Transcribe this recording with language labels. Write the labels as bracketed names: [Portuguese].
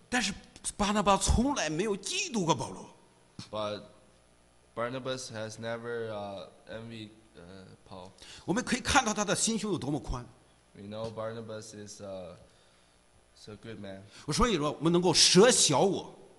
[Chinese] 但是巴拿巴从来没有嫉妒过保罗。 [English] But Barnabas has never envied Paul. [Chinese] 我们可以看到他的心胸有多么宽。 [English] We know Barnabas is a good man. [Chinese] 我所以说我们能够舍小我。